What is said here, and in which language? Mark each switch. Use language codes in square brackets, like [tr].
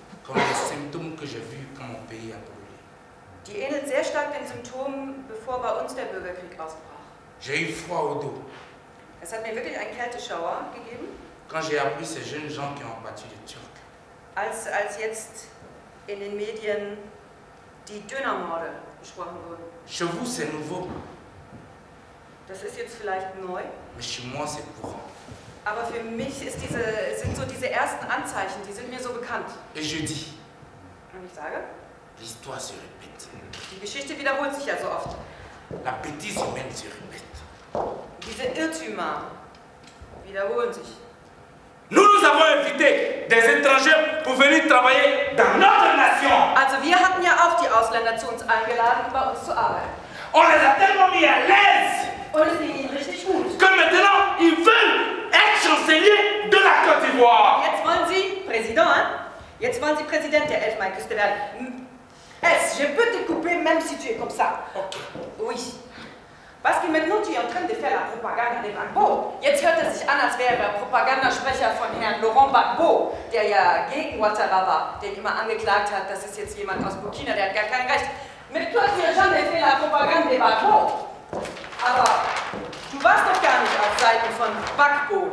[fr] Comme les symptômes que j'ai vus quand mon pays a brûlé. [de] Die ähneln sehr stark den Symptomen, bevor bei uns der Bürgerkrieg ausbrach. [fr] J'ai eu froid au dos. [de] Es hat mir wirklich einen Kälteschauer gegeben. [fr] Quand j'ai appris ces jeunes gens qui ont battu les Turcs. [de] Als jetzt in den Medien die Dönermorde besprochen wurden. [fr] Chez vous, c'est nouveau. [de] Das ist jetzt vielleicht neu. [fr] Mais chez moi, c'est courant. [de] Aber für mich ist sind so diese ersten Anzeichen, die sind mir so bekannt. [fr] Et je dis, [de] und ich sage, [fr] l'histoire se répète. [de] Die Geschichte wiederholt sich ja so oft. [fr] La bêtise humaine se répète. [de] Diese Irrtümer wiederholen sich. [fr] Nous avons invité des étrangers pour venir travailler dans notre nation. [de] Also wir hatten ja auch die Ausländer zu uns eingeladen, bei uns zu arbeiten. [fr] On les a tellement mis à l'aise. [de] Und es ging ihnen richtig gut. [fr] Que maintenant, ils veulent être chancelier de la Côte d'Ivoire. [de] Jetzt wollen Sie Präsident, hein? Jetzt wollen Sie Präsident der Elfenbeinküste werden. [fr] Es, je peux te couper, même si tu es comme ça. Okay. Oui. Parce que maintenant tu es en train de faire la propagande de Gbagbo. [de] Jetzt hört es sich an, als wäre er Propagandasprecher von Herrn Laurent Gbagbo, der ja gegen Ouattara war, den immer angeklagt hat, das ist jetzt jemand aus Burkina, der hat gar kein Recht. [fr] Maintenant tu es en train de faire la propagande de Gbagbo. [de] Aber du warst doch gar nicht auf Seiten von Gbagbo.